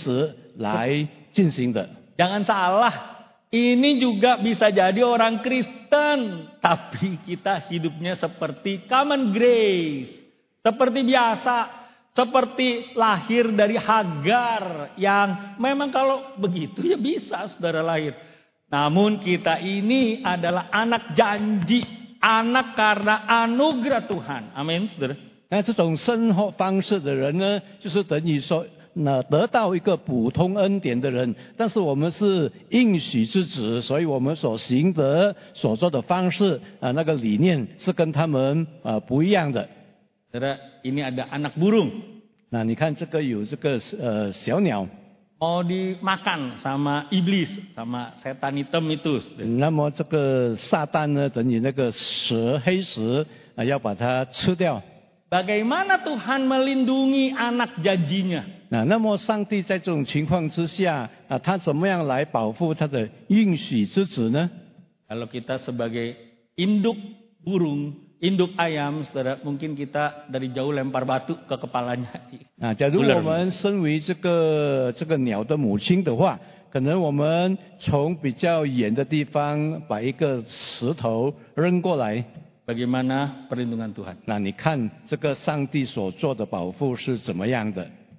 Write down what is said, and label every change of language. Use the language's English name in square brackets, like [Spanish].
[Chinese] 我意思是说，虽然我们成为基督徒很久，但是我们一般的方式追求这个成功，或者我们走我们的人生道路，都是以这种心态和这种原则来进行的。 [Indonesian] Jangan salah, ini juga bisa jadi orang Kristen, tapi kita hidupnya seperti [English] common grace, [Indonesian] seperti biasa. Seperti lahir dari Hagar yang memang kalau begitu ya bisa saudara lahir. Namun kita ini adalah anak janji, anak karena anugerah Tuhan. Amin, saudara. [Chinese] Nah, 这种生活方式的人呢，就是等于说，得到一个普通恩典的人。但是我们是应许之子，所以我们所行的、所做的方式，那个理念是跟他们不一样的。 [Indonesian] Saudara, ini ada anak burung. Nah, ini kan juga ada小鸟. Mau dimakan sama iblis, sama setan hitam itu. Nah, mau juga satan, dengan yang ke-se-hei-se, yang [Chinese] 把它吃掉. [Indonesian] Bagaimana Tuhan melindungi anak janjinya? [Chinese] Nah, 那么上帝在这种情况之下, 啊, 他怎么样来保护他的应许之子呢? [Indonesian] Kalau kita sebagai induk burung, induk ayam, saudara, mungkin kita dari jauh lempar batu ke kepalanya. [Chinese] Nah, 假如我们身为这个鸟的母亲的话, 可能我们从比较远的地方把一个石头扔过来, [Indonesian] bagaimana perlindungan Tuhan? [Chinese] Nah, 你看这个上帝所做的保护是怎么样的?